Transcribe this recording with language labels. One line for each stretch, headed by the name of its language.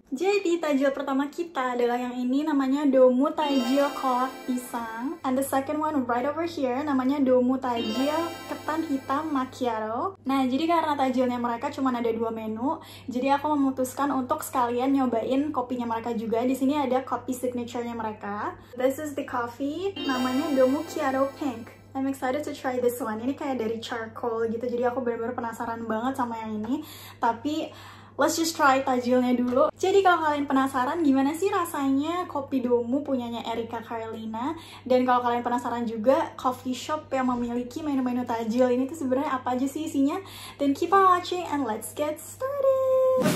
Indonesian: Jadi tajil pertama kita adalah yang ini, namanya Domo Tajil Kolak Pisang,
English: and the second one right over here
Indonesian: namanya Domo Tajil Ketan Hitam Macchiato. Nah, jadi karena tajilnya mereka cuma ada 2 menu, jadi aku memutuskan untuk sekalian nyobain kopinya mereka juga. Di sini ada kopi signature-nya mereka.
English: This is the coffee,
Indonesian: namanya
English: Domo Chiaro Pink. I'm excited to try this one.
Indonesian: Ini kayak dari charcoal gitu, jadi aku benar-benar penasaran banget sama yang ini. Tapi
English: let's just try
Indonesian: tajilnya dulu. Jadi kalau kalian penasaran gimana sih rasanya Kopi Domo punyanya Erika Carlina, dan kalau kalian penasaran juga coffee shop yang memiliki menu-menu tajil ini tuh sebenarnya apa aja sih isinya,
English: then keep on watching and let's get started.